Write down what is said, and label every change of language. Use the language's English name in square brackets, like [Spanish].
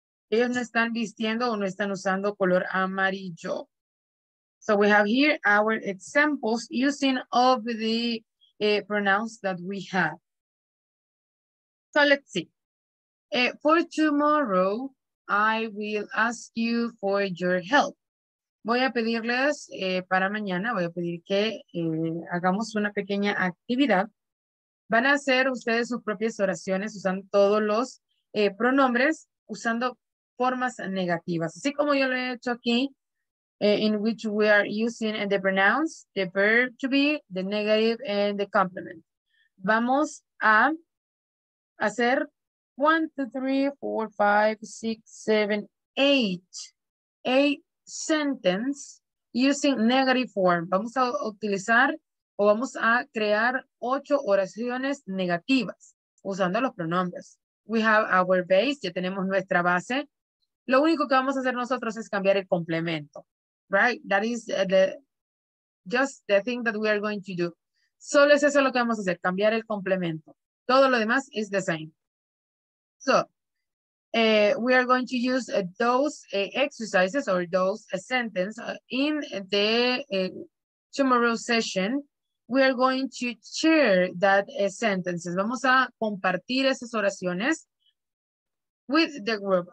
[Spanish] Ellos no están vistiendo o no están usando color amarillo. [English] So we have here our examples using all the pronouns that we have. So let's see. For tomorrow, I will ask you for your help. [Spanish] Voy a pedirles para mañana, voy a pedir que hagamos una pequeña actividad. Van a hacer ustedes sus propias oraciones usando todos los pronombres, usando formas negativas. Así como yo lo he hecho aquí, [English] in which we are using the pronouns, the verb to be, the negative, and the complement. [Spanish] Vamos a hacer 1, 2, 3, 4, 5, 6, 7, 8 [English] sentence using negative form. [Spanish] Vamos a utilizar o vamos a crear 8 oraciones negativas usando los pronombres. [English] We have our base, [Spanish] ya tenemos nuestra base. Lo único que vamos a hacer nosotros es cambiar el complemento. [English] Right? That is just the thing that we are going to do. [Spanish] Solo es eso lo que vamos a hacer, cambiar el complemento. Todo lo demás [English] is the same. So, we are going to use those exercises or those sentences in the tomorrow session. We are going to share that sentences. [Spanish] Vamos a compartir esas oraciones [English] with the group.